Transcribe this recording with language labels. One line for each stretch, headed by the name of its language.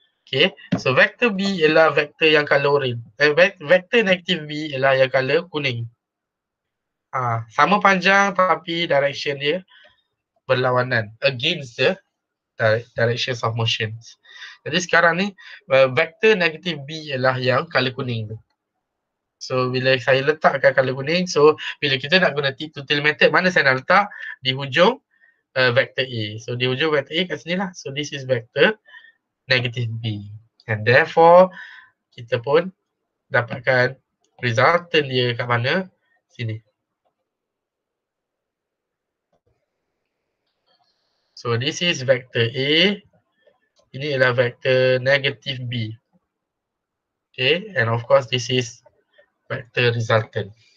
Malay: Okay, so vector B ialah vector yang color oranye. Vector negative B ialah yang color kuning. Sama panjang tapi direction dia berlawanan.
English: Against the directions of motion.
Malay: Jadi sekarang ni, vector negatif B ialah yang color kuning. So, bila saya letakkan color kuning, so, bila kita nak guna tip to tail method, mana saya nak letak? Di hujung vector A. So, di hujung vector A kat sini lah.
English: So, this is vector negatif B. And therefore,
Malay: kita pun dapatkan resultant dia kat mana? Sini.
English: So, this is vector A.
Malay: Ini ialah vector negatif B.
English: Okay, and of course this is vector resultant.